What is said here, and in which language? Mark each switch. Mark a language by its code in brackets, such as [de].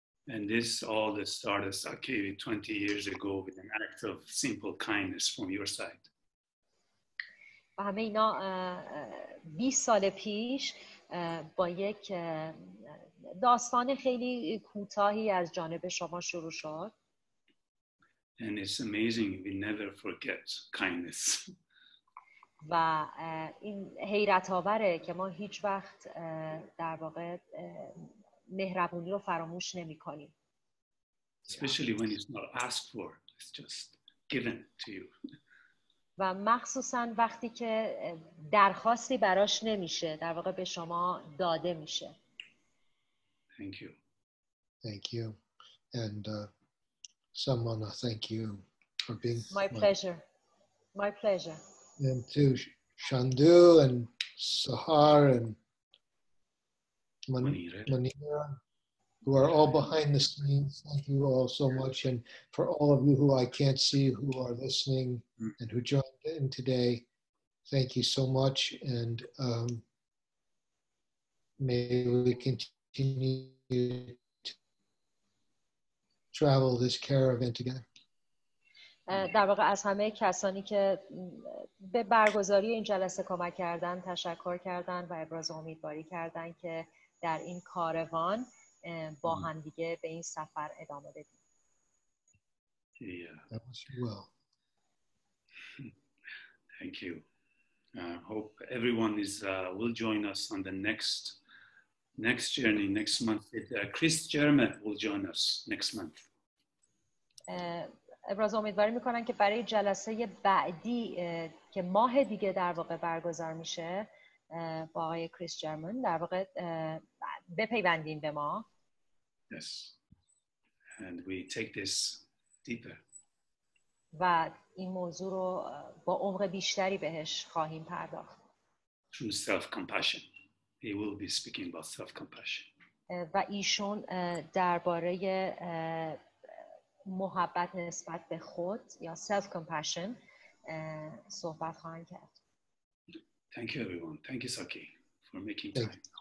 [en] And this all the start of Saki 20 years ago with an act of simple kindness from your side. [fa] و همه اینا 20 سال پیش با یک داستان خیلی کوتاهی از جانب شما شروع شد. [en] And it's amazing we never forget kindness. [fa] و این حیرت آوره که ما هیچ وقت در واقع مهربونی رو فراموش نمی کنیم. [en] Especially when it's not asked for, it's just given to you. [fa] و مخصوصا وقتی که درخواستی براش نمیشه در واقع به شما داده میشه. [en] Thank you. Thank you. And Samana, thank you for being my pleasure. My pleasure. And to Shandu and Sahar and Manira, who are all behind the scenes, thank you all so much. And for all of you who I can't see, who are listening and who joined in today, thank you so much. And may we continue to travel this caravan together. [fa] در واقع از همه کسانی که به برگزاری این جلسه کمک کردن تشکر کردن و ابراز امیدواری کردن که در این کاروان با هم دیگه به این سفر ادامه بدیم. [en] Yeah. That was well. Thank you. Hope everyone is will join us on the next journey next month. Chris German will join us next month. [fa] ابراز امیدواری میکنن که برای جلسه بعدی که ماه دیگه در واقع برگزار میشه با آقای کریس جرمن در واقع بپیوندین به ما. [en] Yes. And we take this deeper. [fa] و این موضوع رو با عمق بیشتری بهش خواهیم پرداخت. [en] True self-compassion. He will be speaking about self-compassion. [fa] و ایشون درباره محبت نسبت به خود یا self-compassion صحبت خواهند کرد. [en] Thank you everyone. Thank you Saki for making time.